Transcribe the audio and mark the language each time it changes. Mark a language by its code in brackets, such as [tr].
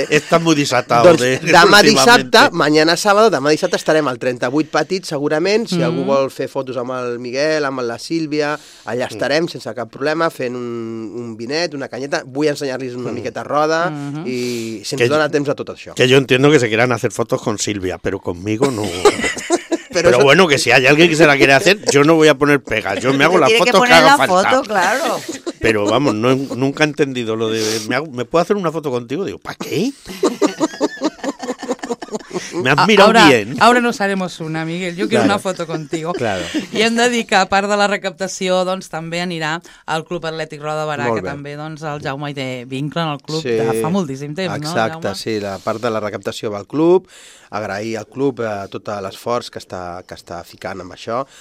[ca] Està molt dissabtao. Doncs demà dissabte, [es] mañana sábado, [ca] demà dissabte estarem al 38 petit, segurament, si algú vol fer fotos amb el Miguel, amb la Sílvia, allà estarem sense cap problema, fent un vinet, una canyeta, vull ensenyar-los una miqueta Roda i se'ns que dona temps a tot això. [es] Que yo entiendo que se quieran hacer fotos con Silvia, pero conmigo no. Pero eso... bueno, que si hay alguien que se la quiere hacer, yo no voy a poner pega. Yo me hago las fotos que haga falta. Tiene que poner la foto, claro. Pero vamos, no, nunca he entendido lo de... ¿Me puedo hacer una foto contigo? Digo, ¿para qué? Me has mirado ahora, bien. Ahora nos haremos una, Miguel. Yo quiero una foto contigo. Claro. [ca] Y hem de dir que, a part de la recaptació, doncs, també anirà al Club Atlètic Roda Barà, que també doncs, el Jaume hi té vincle en el club de fa moltíssim temps. Exacte, no, sí. La part de la recaptació va al club. Agrair al club tot l'esforç que està ficant amb això.